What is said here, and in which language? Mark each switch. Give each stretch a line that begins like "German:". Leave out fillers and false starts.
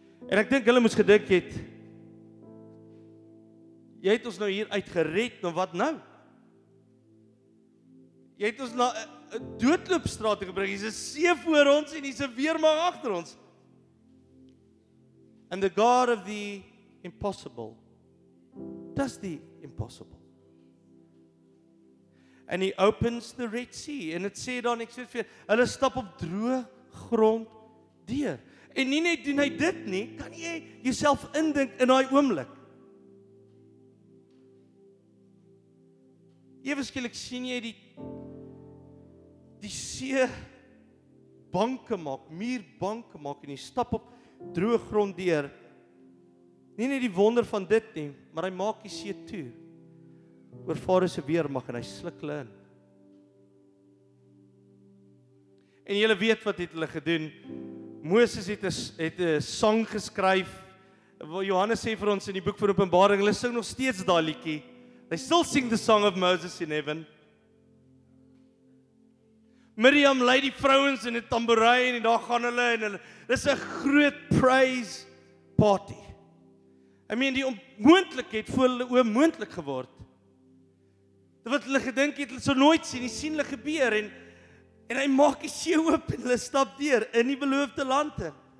Afrikaans: En ek dink hulle moes gedink het, jy het ons nou hier uit gered, nou wat nou? Jy het ons na doodloopstraat gebring, hier is 'n see voor ons en hier is 'n weermag agter ons.
English: And the God of the impossible does the impossible. And he opens the Red Sea, and it
Afrikaans: sê dan, ek sê vir, hulle stap op droë grond deur. En nie net doen hy dit nie, kan jy jouself indink in daai oomblik. Ewe skielik sien jy die see banke maak, muurbanke maak en jy stap op droë grond deur. Nie net die wonder van dit nie, maar hy maak die see toe. Oor Farao se weermag en hy sluk hulle in. En julle weet wat het hulle gedoen. Moses het 'n sang geskryf. Johannes sê vir ons in die boek van Openbaring, hulle sing nog steeds daai liedjie.
English: They still sing the song of Moses in heaven.
Afrikaans: Miriam lei die vrouens in 'n tamboerijn en daar gaan hulle en hulle. Dis 'n groot praise party.
English: I mean,
Afrikaans: die onmoontlikheid voor hulle onmoontlik geword. Dit wat hulle gedink het, hulle sou nooit sien, die sien hulle gebeur en hy maak die see oop en hulle stap deur in die beloofde land in.